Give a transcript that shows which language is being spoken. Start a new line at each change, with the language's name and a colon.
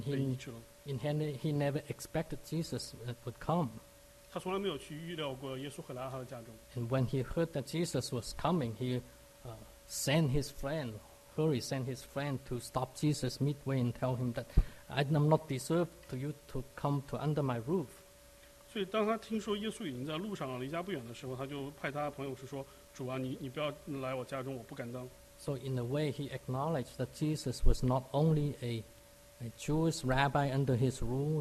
Chinese: 他就仅仅去祈求说，耶稣能够说一句话，他的仆人就被医治了。
English: And he never expected Jesus would come.
Chinese: 他从来没有去预料过耶稣会来到他的家中。And
English: when he heard that Jesus was coming, he sent his friend to stop Jesus midway and tell him that I'm not deserved to you to come to under my roof.
Chinese: 所以当他听说耶稣已经在路上了，离家不远的时候，他就派他的朋友说：“主啊，你不要来我家中，我不敢当。”
English: So in a way, he acknowledged that Jesus was not only a Jewish rabbi under his rule.